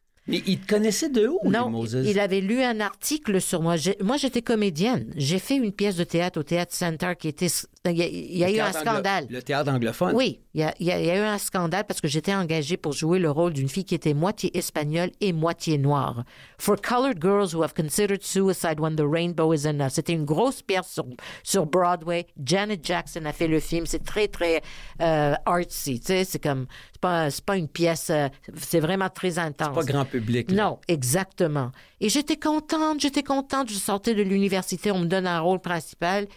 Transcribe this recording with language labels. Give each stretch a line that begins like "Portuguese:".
French: Mais il te connaissait de où, non, lui, Moses? Il avait lu un article sur moi. Moi, j'étais comédienne. J'ai fait une pièce de théâtre au Théâtre Center qui était... Il y a eu un scandale. Le théâtre anglophone? Oui. Il y a eu un scandale parce que j'étais engagée pour jouer le rôle d'une fille qui était moitié espagnole et moitié noire.
English: For colored girls who have considered suicide when the rainbow is enough.
French: C'était une grosse pièce sur Broadway. Janet Jackson a fait le film. C'est très, très artsy. Tu sais, c'est comme... C'est pas une pièce... C'est vraiment très intense. C'est pas grand public. Là. Non, exactement. Et j'étais contente. Je sortais de l'université, on me donne un rôle principal.